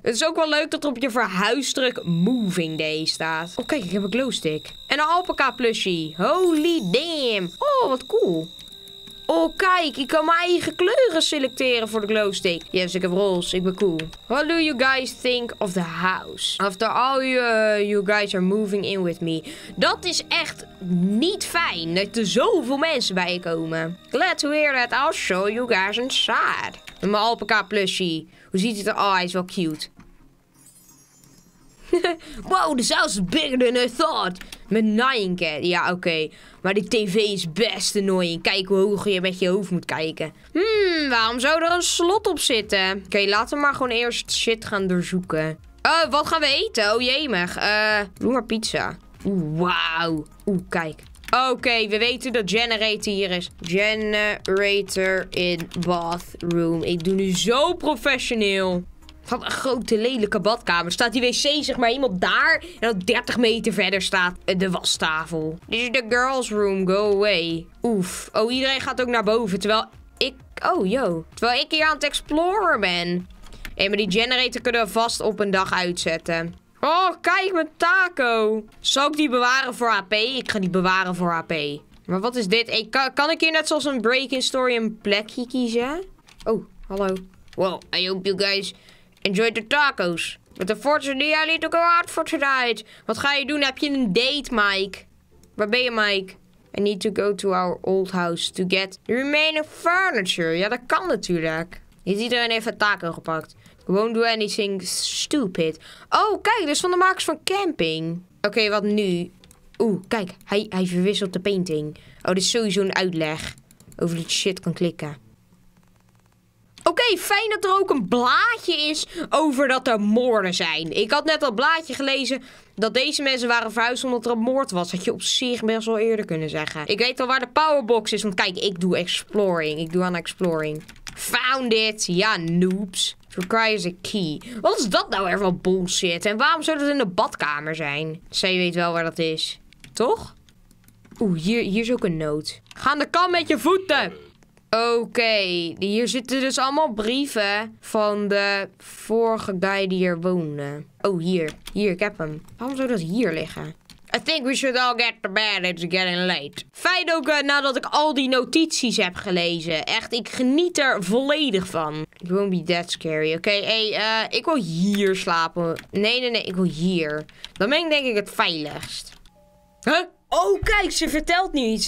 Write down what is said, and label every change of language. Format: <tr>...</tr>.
<nl>Het is ook wel leuk dat er op je verhuisdruk Moving Day staat. Oh, kijk, ik heb een glowstick. En een alpaca plushie.</nl> <en>Holy damn.</en> <nl>Oh, wat cool. Oh, kijk, ik kan mijn eigen kleuren selecteren voor de glowstick. Yes, ik heb roze. Ik ben cool.</nl> <en>What do you guys think of the house? After all you guys are moving in with me.</en> <nl>Dat is echt niet fijn dat er zoveel mensen bij komen.</nl> <en>Glad to hear that. I'll show you guys inside.</en> <nl>Mijn alpaca plushie. Hoe ziet het er? Oh, hij is wel cute.</nl> <en>Wow, this house is bigger than I thought.</en> <nl>Mijn Nine Cat. Ja, oké. Maar die tv is best annoying. Kijk hoe hoog je met je hoofd moet kijken. Waarom zou er een slot op zitten? Oké, laten we maar gewoon eerst shit gaan doorzoeken. Wat gaan we eten? Oh, jemig. Doe maar pizza. Oeh, wauw. Oeh, kijk. Oké, we weten dat generator hier is.</nl> <en>Generator in bathroom.</en> <nl>Ik doe nu zo professioneel. Van een grote lelijke badkamer. Staat die wc zeg maar helemaal daar. En dan 30 meter verder staat de wastafel.</nl> <en>This is the girls room. Go away. Oef.</en> <nl>Oh, iedereen gaat ook naar boven. Terwijl ik... Oh, yo. Terwijl ik hier aan het exploren ben. Hé, maar die generator kunnen we vast op een dag uitzetten. Oh, kijk mijn taco. Zal ik die bewaren voor HP? Ik ga die bewaren voor HP. Maar wat is dit? Hey, kan ik hier net zoals een Break-In Story een plekje kiezen? Oh, hallo.</nl> <en>Well, I hope you guys... Enjoy the tacos. But the fortune I need to go out for tonight.</en> <nl>Wat ga je doen? Heb je een date, Mike? Waar ben je, Mike?</nl> <en>I need to go to our old house to get the remaining furniture.</en> <nl>Ja, dat kan natuurlijk. Heeft iedereen even een taco gepakt?</nl> <en>I won't do anything stupid.</en> <nl>Oh, kijk, dat is van de makers van camping. Oké, wat nu? Oeh, kijk, hij verwisselt de painting. Oh, dit is sowieso een uitleg over dat je shit kan klikken. Oké, fijn dat er ook een blaadje is over dat er moorden zijn. Ik had net dat blaadje gelezen dat deze mensen waren verhuisd omdat er een moord was. Had je op zich best wel eerder kunnen zeggen. Ik weet al waar de powerbox is, want kijk, ik doe exploring. Ik doe aan exploring.</nl> <en>Found it.</en> <nl>Ja, noobs.</nl> <en>It requires a key.</en> <nl>Wat is dat nou ervan bullshit? En waarom zou dat in de badkamer zijn? Zij weet wel waar dat is. Toch? Oeh, hier is ook een noot. Ga aan de kant met je voeten! Oké, hier zitten dus allemaal brieven van de vorige guy die hier woonde. Oh, hier, ik heb hem. Waarom zou dat hier liggen?</nl> <en>I think we should all get to bed, it's getting late.</en> <nl>Fijn ook nadat ik al die notities heb gelezen. Echt, ik geniet er volledig van.</nl> <en>It won't be that scary.</en> <nl>Oké, ik wil hier slapen. Nee, ik wil hier. Dan ben ik denk ik het veiligst. Huh? Oh, kijk, ze vertelt nu iets.</nl>